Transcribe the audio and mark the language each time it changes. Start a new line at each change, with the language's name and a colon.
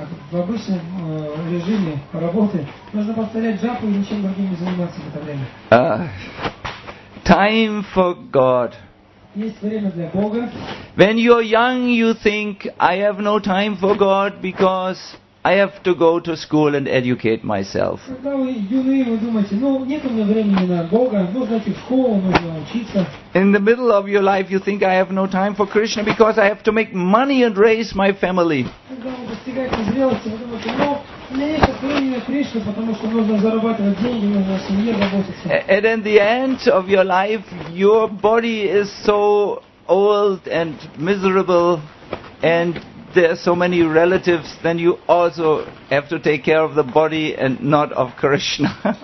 Russian: В обычном режиме работы нужно повторять джапу и ничем другим не заниматься в это время.
English: Time for God.
Russian: Есть время для Бога.
English: When you're young, you think, I have no time for God because I have to go to school and educate myself.
Russian: Когда вы юные, вы думаете, ну нет у меня времени на Бога, нужно идти в школу, нужно учиться.
English: In the middle of your life, you think, I have no time for Krishna because I have to make money and raise my family. And in the end of your life, your body is so old and miserable, and there are so many relatives, then you also have to take care of the body and not of Krishna.